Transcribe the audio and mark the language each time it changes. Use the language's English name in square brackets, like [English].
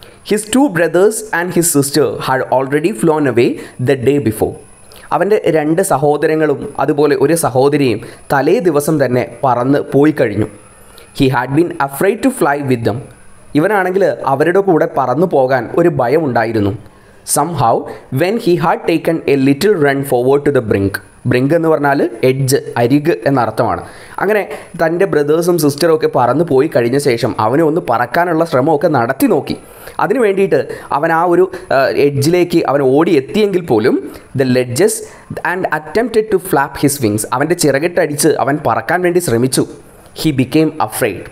[English] His two brothers and his sister had already flown away the day before. [Malayalam] അവൻ്റെ രണ്ട് സഹോദരങ്ങളും അതുപോലെ ഒരു സഹോദരിയും തലേ ദിവസം തന്നെ പറന്ന് പോയി കഴിഞ്ഞു. [English] He had been afraid to fly with them. [Malayalam] ഇവനാണെങ്കിൽ അവരുടെ കൂടെ പറന്നു പോകാൻ ഒരു ഭയമുണ്ടായിരുന്നു. [English] Somehow, when he had taken a little run forward to the brink, brink [Malayalam] എന്ന് പറഞ്ഞാൽ എഡ്ജ്, അരിക് എന്നർത്ഥമാണ്. അങ്ങനെ തൻ്റെ ബ്രദേഴ്സും സിസ്റ്ററും ഒക്കെ പറന്നു പോയി കഴിഞ്ഞ ശേഷം അവനെ ഒന്ന് പറക്കാനുള്ള ശ്രമമൊക്കെ നടത്തി നോക്കി. അതിനു വേണ്ടിയിട്ട് അവൻ ആ ഒരു എഡ്ജിലേക്ക് അവൻ ഓടി എത്തിയെങ്കിൽ പോലും [English] The ledges and attempted to flap his wings. [Malayalam] അവൻ്റെ ചിറകെട്ടടിച്ച് അവൻ പറക്കാൻ വേണ്ടി ശ്രമിച്ചു. [English] He became afraid.